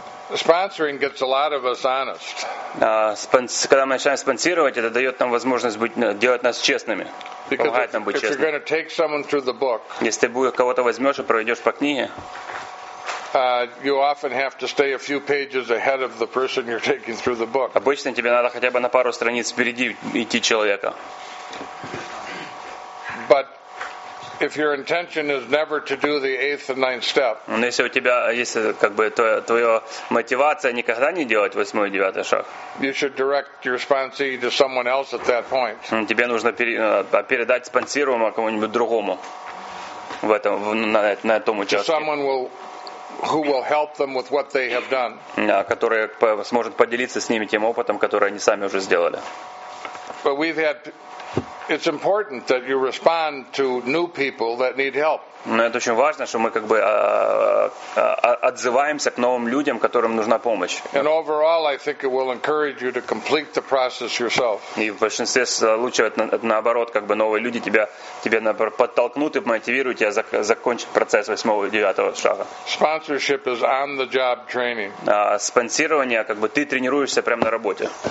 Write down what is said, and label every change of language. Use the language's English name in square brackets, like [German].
[English] Sponsoring gets a lot of us honest. [Russian] Когда мы начинаем спонсировать, это дает нам возможность делать нас честными. Помогать нам быть честными. [English] If you're going to take someone through the book, [Russian] если ты кого-то возьмешь и проведешь по книге, [English] you often have to stay a few pages ahead of the person you're taking through the book. [Russian] Обычно тебе надо хотя бы на пару страниц впереди идти человека. [English] But if your intention is never to do the eighth and ninth step, [Russian] но если у тебя есть как бы твоя мотивация никогда не делать восьмой и девятый шаг, [English] you should direct your sponsee to someone else at that point. [Russian] Тебе нужно передать спонсируемого кому-нибудь другому в этом на этом участке. [English] Someone who will help them with what they have done. [Russian] Да, который сможет поделиться с ними тем опытом, который они сами уже сделали. [English] But we've had. It's important that you respond to new people that need help. [Russian] Но это очень важно, что мы как бы отзываемся к новым людям, которым нужна помощь. [English] And overall, I think it will encourage you to complete the process yourself. [Russian] И в большинстве случаев наоборот, как бы новые люди тебя подтолкнут и мотивируют тебя закончить процесс восьмого и девятого шага. [English] Sponsorship is on-the-job training. [Russian] Спонсирование, как бы ты тренируешься прямо на работе.